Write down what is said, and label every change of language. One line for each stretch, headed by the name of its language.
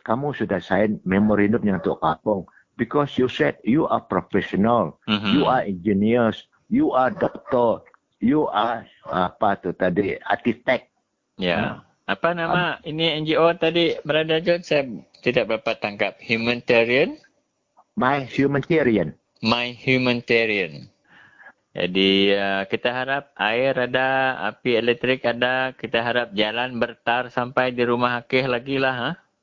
Malay: Kamu sudah sign memorandum yang untuk kapung.
English: Because you said you are professional, you are engineers, you are doctor, you are
Malay: apa tu tadi,
English: architect. Yeah.
Malay: Apa nama ini NGO tadi, Brother John? Saya tidak berapa tangkap. Humanitarian? My Humanitarian. My Humanitarian. Jadi, kita harap air ada, api elektrik ada. Kita harap jalan bertar sampai di rumah Hakeh lagi lah.